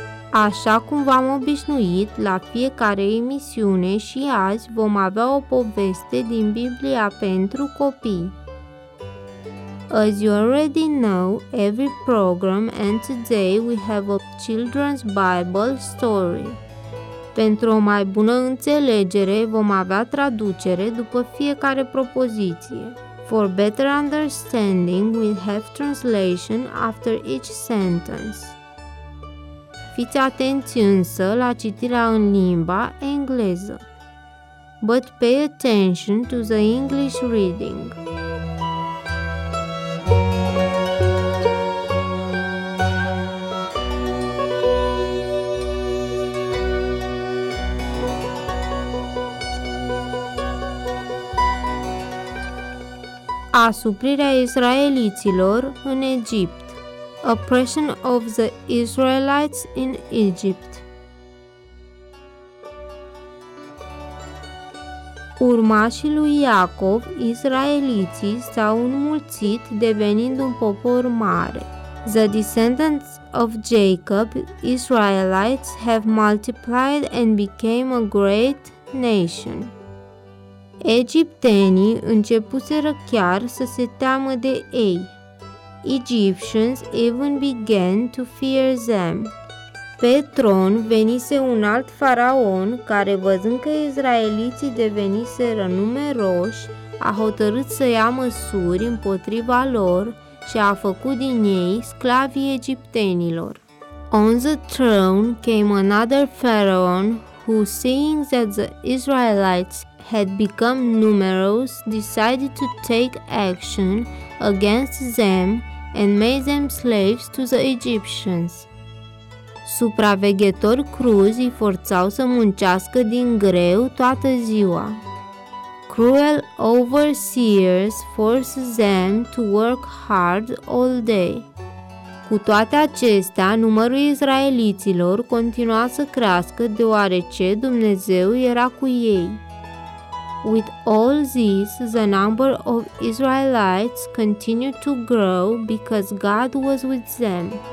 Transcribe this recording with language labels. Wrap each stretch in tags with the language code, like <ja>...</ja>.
<ro>Așa cum v-am obișnuit, la fiecare emisiune și azi vom avea o poveste din Biblia pentru copii.</ro> <en>As you already know, every program and today we have a children's Bible story.</en> <ro>Pentru o mai bună înțelegere, vom avea traducere după fiecare propoziție.</ro> <en>For better understanding, we have translation after each sentence.</en> <ro>Fiți atenți însă la citirea în limba engleză.</ro> <en>But pay attention to the English reading.</en> <ro>Asuprirea israeliților în Egipt.</ro> <en>Oppression of the Israelites in Egypt.</en> <ro>Urmașii lui Iacov, israeliții, s-au înmulțit devenind un popor mare.</ro> <en>The descendants of Jacob, Israelites, have multiplied and became a great nation.</en> <ro>Egiptenii începuseră chiar să se teamă de ei.</ro> <en>Egyptians even began to fear them.</en> <ro>Pe tron venise un alt faraon care, văzând că izraeliții deveniseră numeroși, a hotărât să ia măsuri împotriva lor și a făcut din ei sclavii egiptenilor.</ro> <en>On the throne came another pharaoh who, seeing that the Israelites had become numerous, decided to take action against them and made them slaves to the Egyptians.</en> <ro>Supraveghetori cruzi îi forțau să muncească din greu toată ziua.</ro> <en>Cruel overseers forced them to work hard all day.</en> <ro>Cu toate acestea, numărul israeliților continua să crească deoarece Dumnezeu era cu ei.</ro> <en>With all this, the number of Israelites continued to grow because God was with them.</en>